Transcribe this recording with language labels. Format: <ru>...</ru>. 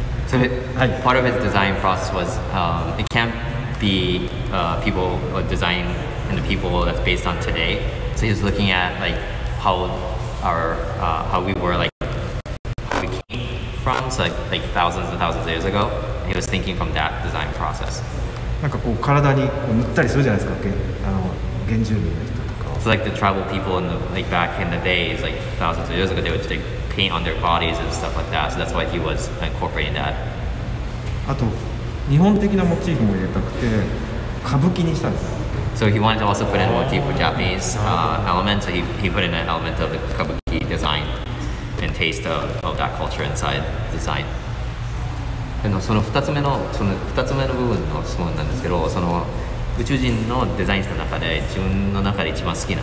<en>So part of his design process was it can't be people or design and the people that's based on today. So he's looking at like how we were like how we came from, so like thousands and thousands of years ago. He was thinking from that design process.</en> <ja>なんかこう体にこう塗ったりするじゃないですか、あの原住民の人とか。</ja> <en>So like the tribal people in the like back in the days, like thousands of years ago, they would like paint on their bodies and stuff like that. So that's why he was incorporating that.</en> <ja>あと日本的なモチーフも入れたくて歌舞伎にしたんです。</ja> <en>So he wanted to also put in a motif for Japanese element, so he put in an element of the kabuki design and taste of that culture inside the design.</en> <ja>And その2つ目の、その2つ目の部分の質問なんですけど、その宇宙人のデザインの中で自分の中で一番好きな、</ja>